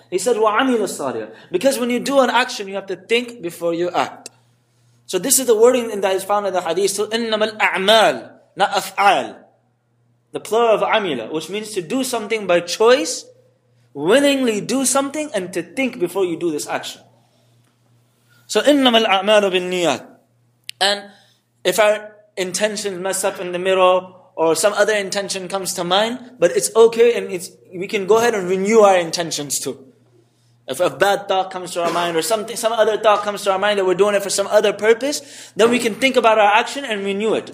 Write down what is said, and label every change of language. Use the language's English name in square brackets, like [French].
[English] He said, [Arabic] وَعَمِلُوا الصَّالِحَاتِ. [English] Because when you do an action, you have to think before you act. So this is the wording that is found in the hadith. So [Arabic] إِنَّمَا الْأَعْمَالِ [English] not afal, the plural of amila, which means to do something by choice, willingly do something, and to think before you do this action. So [Arabic] إِنَّمَا الْأَعْمَالُ بِالنِّيَّةِ. [English] And if our intention mess up in the mirror, or some other intention comes to mind, but it's okay, and it's we can go ahead and renew our intentions too. If a bad thought comes to our mind, or something, some other thought comes to our mind that we're doing it for some other purpose, then we can think about our action and renew it.